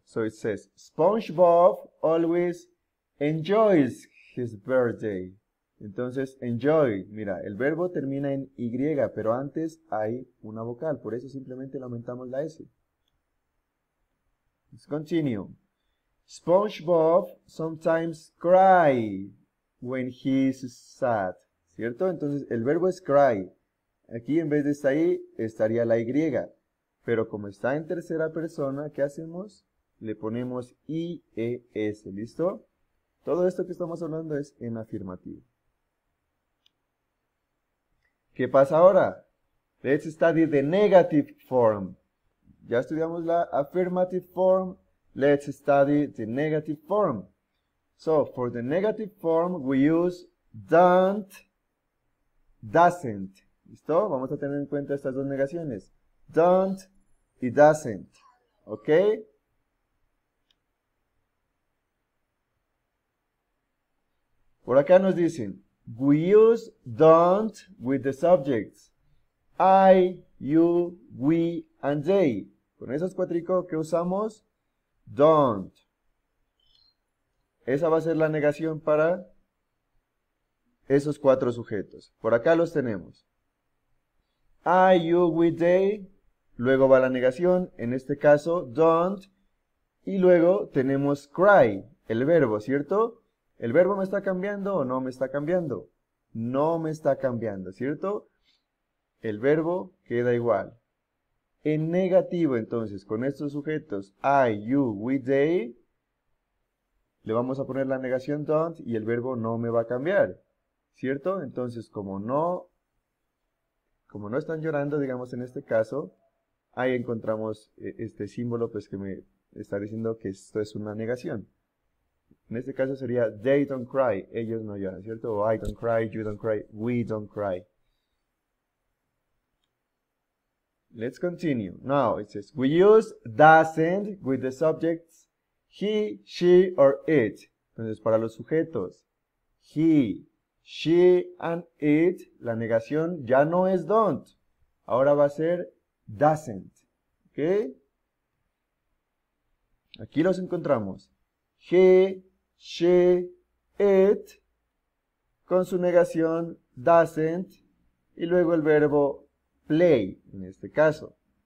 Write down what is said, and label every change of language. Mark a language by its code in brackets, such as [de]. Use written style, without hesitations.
[en] So it says, SpongeBob always enjoys his birthday. [es] Entonces, enjoy. Mira, el verbo termina en Y, pero antes hay una vocal. Por eso simplemente le aumentamos la S. [en] Let's continue. SpongeBob sometimes cry when he is sad. [es] ¿Cierto? Entonces, el verbo es cry. Aquí, en vez de estar ahí, estaría la Y. Pero como está en tercera persona, ¿qué hacemos? Le ponemos IES, ¿listo? Todo esto que estamos hablando es en afirmativo. ¿Qué pasa ahora? [en] Let's study the negative form. [es] Ya estudiamos la [en] affirmative form. Let's study the negative form. So, for the negative form, we use don't, doesn't. [es] ¿Listo? Vamos a tener en cuenta estas dos negaciones. [en] Don't y doesn't. ¿Ok? [es] Por acá nos dicen, [en] we use don't with the subjects. I, you, we, and they. [es] Con esos cuatrico, ¿qué usamos? Don't. Esa va a ser la negación para esos cuatro sujetos. Por acá los tenemos. I, you, we, they. Luego va la negación. En este caso, don't. Y luego tenemos cry, el verbo, ¿cierto? ¿El verbo me está cambiando o no me está cambiando? No me está cambiando, ¿cierto? El verbo queda igual. En negativo, entonces, con estos sujetos, I, you, we, they, le vamos a poner la negación don't y el verbo no me va a cambiar, ¿cierto? Entonces, como no están llorando, digamos, en este caso, ahí encontramos este símbolo pues, que me está diciendo que esto es una negación. En este caso sería, [en] they don't cry, [es] ellos no lloran, ¿cierto? [en] O I don't cry, you don't cry, we don't cry. Let's continue. Now it says, we use doesn't with the subjects he, she, or it. [es] Entonces, para los sujetos, he, she, and it, la negación ya no es don't. Ahora va a ser doesn't. ¿Ok? Aquí los encontramos. He, she, it, con su negación doesn't, y luego el verbo play, en este caso.